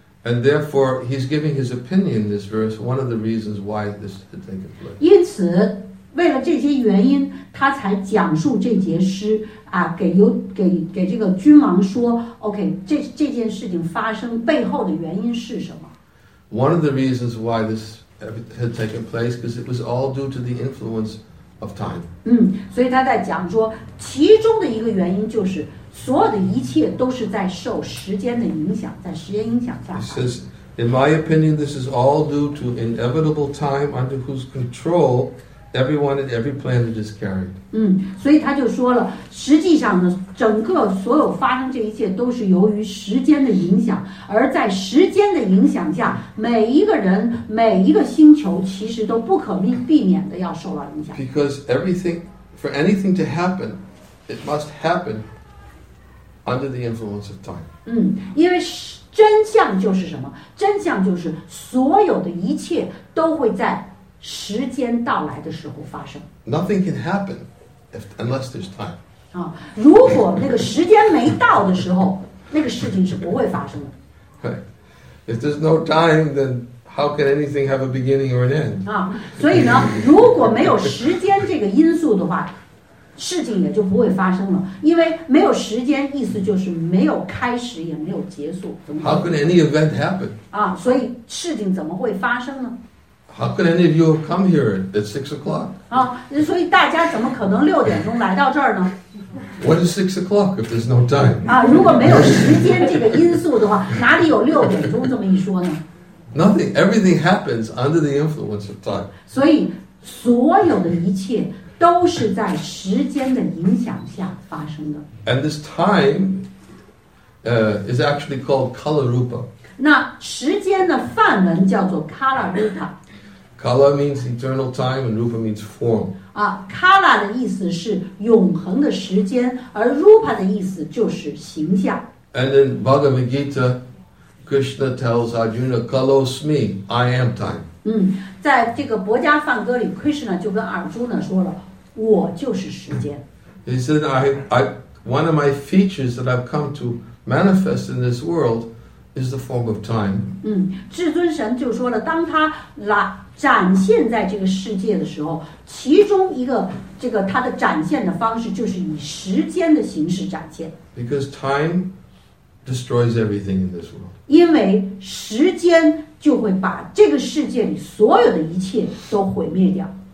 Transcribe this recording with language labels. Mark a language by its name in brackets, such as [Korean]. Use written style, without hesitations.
[English] And therefore, he's giving his opinion in this verse. One of the reasons why this had taken place. [Chinese] 因此，为了这些原因，他才讲述这节诗。给这个君王说 ，OK， 这件事情发生背后的原因是什么 [English] ？One of the reasons why this had taken place because it was all due to the influence of time. [Chinese] 所以他在讲说，其中的一个原因就是所有的一切都是在受时间的影响，在时间影响下。 [English] He says, in my opinion, this is all due to inevitable time under whose control. Everyone and every planet is carried. [Chinese] 所以他就说了，实际上呢，整个所有发生这一切都是由于时间的影响，而在时间的影响下，每一个人、每一个星球其实都不可避免的要受到影响。 [English] Because everything, for anything to happen, it must happen under the influence of time. [Chinese] 因为真相就是什么？真相就是所有的一切都会在。时间到来的时候发生。 [English] Nothing can happen unless there's time. [Chinese] 如果那个时间没到的时候，那个事情是不会发生的。 [English] Right. If there's no time, then how can anything have a beginning or an end? [Chinese] 所以呢，如果没有时间这个因素的话，事情也就不会发生了。因为没有时间，意思就是没有开始，也没有结束。 [English] How could any event happen? [Chinese] 所以事情怎么会发生呢？ [English] How could any of you have come here at 6 o'clock? [Chinese] 所以大家怎么可能六点钟来到这儿呢 [English] ？What is 6 o'clock if there's no time? [Chinese] 如果没有时间这个因素的话，哪里有六点钟这么一说呢 [English] ？Nothing. Everything happens under the influence of time. [Chinese] 所以所有的一切都是在时间的影响下发生的。 [English] And this time, is actually called kalarupa. [Chinese] 那时间的梵文叫做 kalarupa。 [English] Kala means eternal time, and rupa means form. [Chinese] Kala 的意思是永恒的时间，而 rupa 的意思就是形象。 [English] And in Bhagavad Gita, Krishna tells Arjuna, "Kalosmi, I am time." [Chinese] 在这个博迦梵歌里 ，Krishna 就跟 Arjuna 说了，我就是时间。 [English] He said, "I, one of my features that I've come to manifest in this world is the form of time." [Chinese] 至尊神就说了，当他来。展现在这个世界的时候，其中一个这个它的展现的方式就是以时间的形式展现。 [English] Because time destroys everything in this world. [Chinese] 因为时间就会把这个世界里所有的一切都毁灭掉。